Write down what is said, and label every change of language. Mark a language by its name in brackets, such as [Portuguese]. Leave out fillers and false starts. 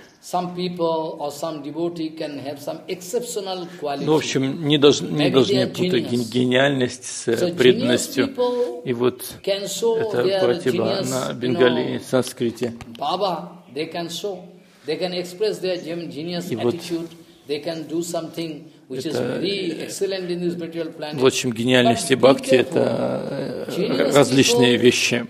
[English] some people or some devotee can have some exceptional quality. [Russian] Ну, в общем, не должны путать гениальность с преданностью. И вот это Пратибха на бенгали и санскрите. [English] Baba, they can show, they can express their genius attitude. They can do something which is very excellent in this material planet. [Russian] В общем, гениальность и бхакти — это различные вещи.